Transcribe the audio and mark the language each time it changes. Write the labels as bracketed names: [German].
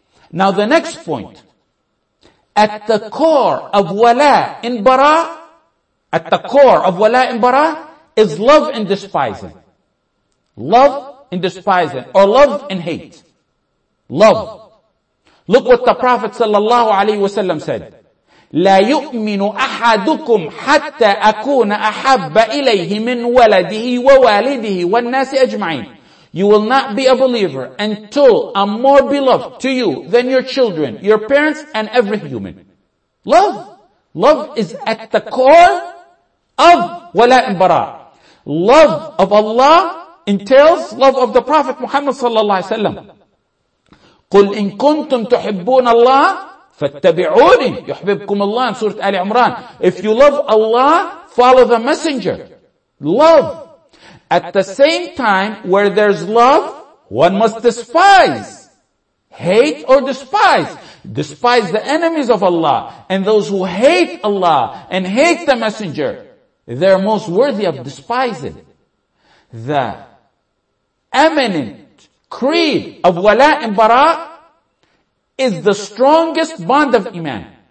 [English] Now the next point, at the core of wala and bara, at the core of wala and bara is love and despising. Love and despising, or love and hate. Love. Look what the Prophet sallallahu alaihi wasallam said. [Arabic] لا يؤمن أحدكم حتى أكون أحب إليه من ولده ووالده والناس أجمعين. [English] You will not be a believer until I'm more beloved to you than your children, your parents, and every human. Love. Love is at the core of wala and bara. Love of Allah entails love of the Prophet Muhammad sallallahu alaihi wasallam. [Arabic] قُلْ إِن كُنْتُمْ تُحِبُّونَ اللَّهَ فَاتَّبِعُونِ يُحْبِبْكُمُ اللَّهِ [English] in Surah Ali Imran. If you love Allah, follow the Messenger. Love. At the same time, where there's love, one must despise. Hate or despise. Despise the enemies of Allah and those who hate Allah and hate the Messenger. They're most worthy of despising. The eminent creed of wala and bara is the strongest bond of iman.